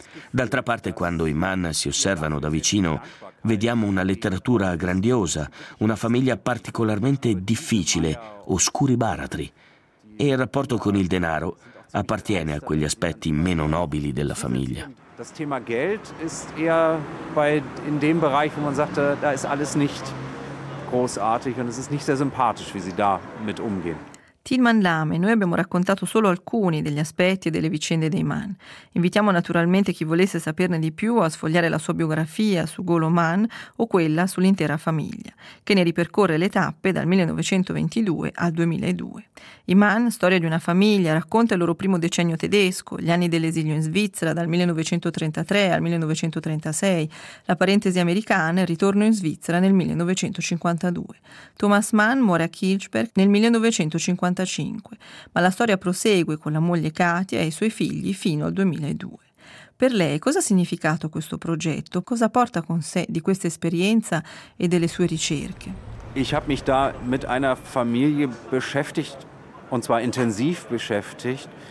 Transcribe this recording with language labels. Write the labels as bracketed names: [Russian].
[Italian] D'altra parte, quando i Mann si osservano da vicino, vediamo una letteratura grandiosa, una famiglia particolarmente difficile, oscuri baratri. E il rapporto con il denaro appartiene a quegli aspetti meno nobili della famiglia. [German] Das Thema Geld ist eher bei in dem Bereich, wo man sagte, da ist alles nicht großartig und es ist nicht sehr sympathisch, wie sie da mit umgehen. [Italian] Tilman Lame, noi abbiamo raccontato solo alcuni degli aspetti e delle vicende dei Mann. Invitiamo naturalmente chi volesse saperne di più a sfogliare la sua biografia su Golo Mann o quella sull'intera famiglia, che ne ripercorre le tappe dal 1922 al 2002. I Mann, storia di una famiglia, racconta il loro primo decennio tedesco, gli anni dell'esilio in Svizzera dal 1933 al 1936, la parentesi americana e il ritorno in Svizzera nel 1952. Thomas Mann muore a Kilchberg nel 1952. Ma la storia prosegue con la moglie Katia e i suoi figli fino al 2002. Per lei cosa ha significato questo progetto? Cosa porta con sé di questa esperienza e delle sue ricerche? [German] Ich habe mich da mit einer Familie beschäftigt und zwar intensiv beschäftigt.